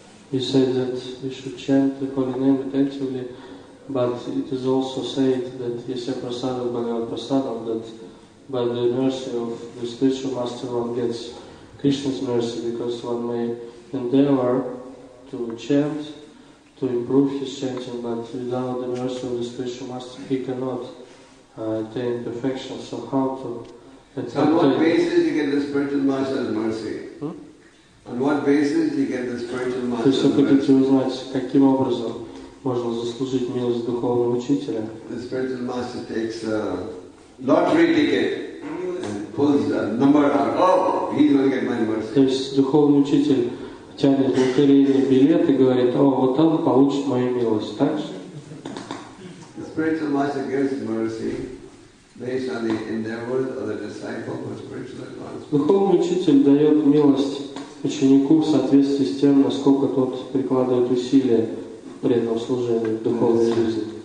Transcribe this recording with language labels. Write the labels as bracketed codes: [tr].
[en] You said that we should chant the holy name attentively, but it is also said that Yasya Prasadam Bhagavad Prasadam, that by the mercy of the spiritual master one gets Krishna's mercy, because one may endeavor to chant, to improve his chanting, but without the mercy of the spiritual master he cannot attain perfection. So how to attain? On what basis you get the spiritual master's mercy? On what basis do you get the spiritual master's mercy? [ru] То есть вы хотите узнать, каким образом можно заслужить милость духовного учителя? [en] The spiritual master takes a lottery ticket and pulls a number out. Oh, he's going to get my mercy. [ru] То есть духовный учитель тянет лотерейный билет и говорит, о, вот он получит мою милость, так же? [en] The spiritual master gives mercy based on the endeavors of the disciple or spiritual advancement. [ru] Духовный учитель дает милость ученику в соответствии с тем, насколько тот прикладывает усилия в преданном служении, в духовной жизни.